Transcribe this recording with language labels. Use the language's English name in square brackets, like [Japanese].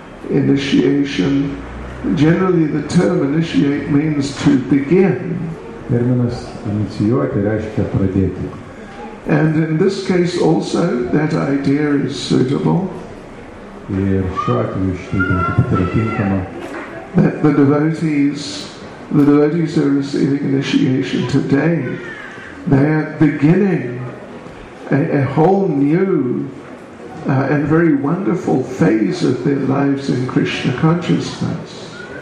[English] Initiation, generally the term initiate means to begin. [Lithuanian] Terminus iniciate reiškia pradėti. [English] And in this case also that idea is suitable. [Lithuanian] Ir šiuo atveju šitai tinkama. [English] That the devotees who are receiving initiation today, they are beginning a whole new and very wonderful phase of their lives in Krishna consciousness.